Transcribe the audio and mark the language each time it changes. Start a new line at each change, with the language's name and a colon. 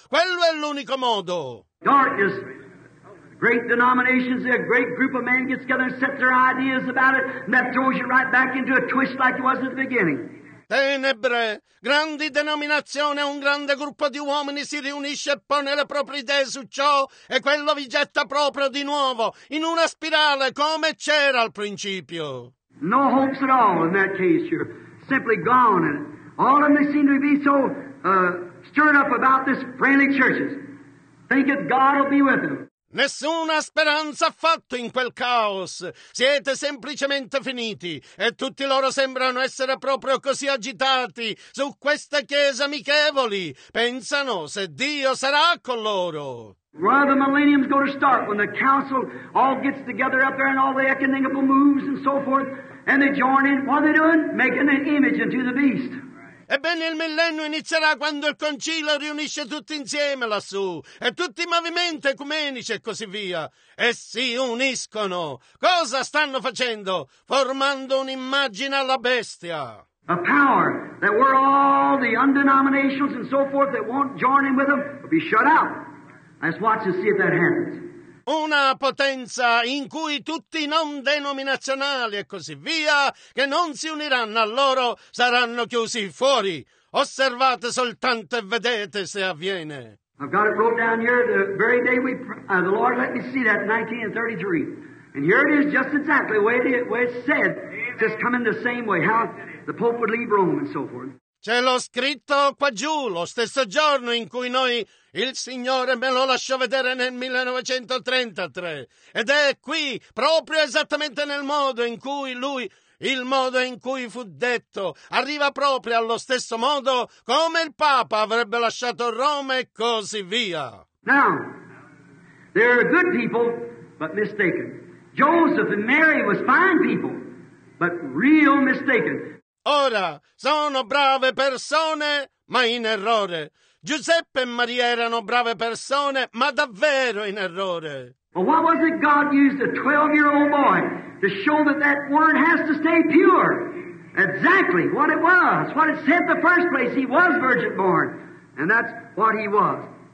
Italian: Quello è l'unico modo.
English: Darkness. Great denominations, a great group of men gets together and sets their ideas about it, and that throws you right back into a twist like it was at the beginning.
Italian: Tenebre, grandi denominazioni, un grande gruppo di uomini si riunisce e pone le proprie idee su ciò, e quello vi getta proprio di nuovo in una spirale come c'era al principio.
English: No hopes at all in that case. You're simply gone, and all of them seem to be so stirred up about this friendly churches. Think that God will be with them.
Italian: Nessuna speranza affatto in quel caos. Siete semplicemente finiti e tutti loro sembrano essere proprio così agitati su queste chiese amichevoli. Pensano se Dio sarà con loro.
English: Where the millennium's going to start when the council all gets together up there and all the ecumenical moves and so forth and they join in. What are they doing? Making an image into the beast.
Italian: Ebbene, il millennio inizierà quando il concilio riunisce tutti insieme lassù, e tutti i movimenti ecumenici e così via, e si uniscono. Cosa stanno facendo? Formando un'immagine alla bestia.
English: A power that were all the undenominations and so forth that won't join in with them will be shut out. Let's watch and see if that happens.
Italian: una potenza in cui tutti i non denominazionali e così via che non si uniranno a loro saranno chiusi fuori. Osservate soltanto e vedete se avviene.
English: I've got it wrote down here the very day we the Lord let me see that, 1933. And here it is just exactly the way it's said, just coming the same way, how the Pope would leave Rome and so forth.
Italian: Ce l'ho scritto qua giù, lo stesso giorno in cui noi, il Signore me lo lasciò vedere nel 1933. Ed è qui, proprio esattamente nel modo in cui lui, il modo in cui fu detto, arriva proprio allo stesso modo come il Papa avrebbe lasciato Roma e così via.
English: Now, there are good people, but mistaken. Joseph and Mary was fine people, but real mistaken.
Italian: Ora, sono brave persone, ma in errore. Giuseppe e Maria erano brave persone, ma davvero in errore.
English: But what was it God used a 12-year-old boy to show that that word has to stay pure? Exactly what it was, what it said in the first place. He was virgin born, and that's what he was.